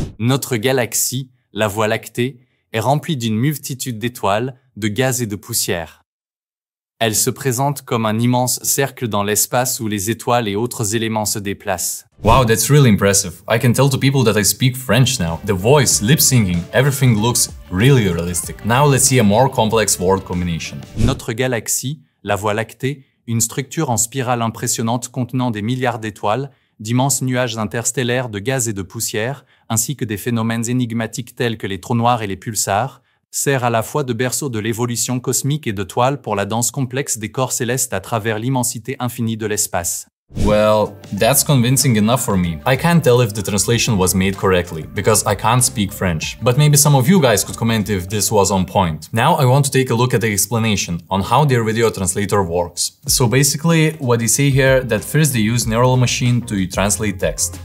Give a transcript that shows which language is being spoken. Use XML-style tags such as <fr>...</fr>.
<fr>Notre galaxie, la Voie lactée, est remplie d'une multitude d'étoiles, de gaz et de poussière. Elle se présente comme un immense cercle dans l'espace où les étoiles et autres éléments se déplacent.</fr> <en>Wow, that's really impressive. I can tell to people that I speak French now. The voice, lip syncing, everything looks really realistic. Now let's see a more complex word combination. Notre galaxie, la Voie lactée, une structure en spirale impressionnante contenant des milliards d'étoiles, d'immenses nuages interstellaires, de gaz et de poussière, ainsi que des phénomènes énigmatiques tels que les trous noirs et les pulsars, sert à la fois de berceau de l'évolution cosmique et de toile pour la danse complexe des corps célestes à travers l'immensité infinie de l'espace. Well, that's convincing enough for me. I can't tell if the translation was made correctly, because I can't speak French. But maybe some of you guys could comment if this was on point. Now I want to take a look at the explanation on how their video translator works. So basically, what they say here, that first they use neural machine to translate text.</en>